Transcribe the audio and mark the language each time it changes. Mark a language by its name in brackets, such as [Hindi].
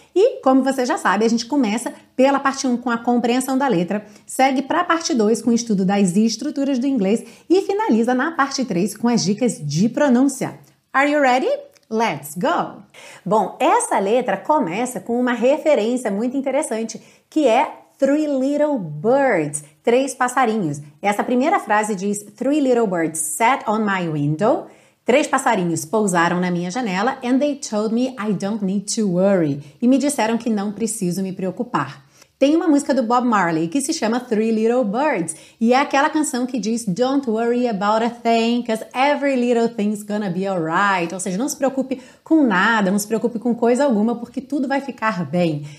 [Portuguese] E como você já sabe, a gente começa pela parte 1 com a compreensão da letra, segue para a parte 2 com o estudo das estruturas do inglês e finaliza na parte 3 com as dicas de pronúncia. [English] Are you ready? Let's go! [Portuguese] Bom, essa letra começa com uma referência muito interessante, que é Three Little Birds, três passarinhos. Essa primeira frase diz [English] Three Little Birds Sat on My Window. [Portuguese] Três passarinhos pousaram na minha janela [English] and they told me I don't need to worry. [Portuguese] E me disseram que não preciso me preocupar. Tem uma música do Bob Marley que se chama Three Little Birds. E é aquela canção que diz [English] Don't worry about a thing, cause every little thing's gonna be alright. [Portuguese] Ou seja, não se preocupe com nada, não se preocupe com coisa alguma, porque tudo vai ficar bem.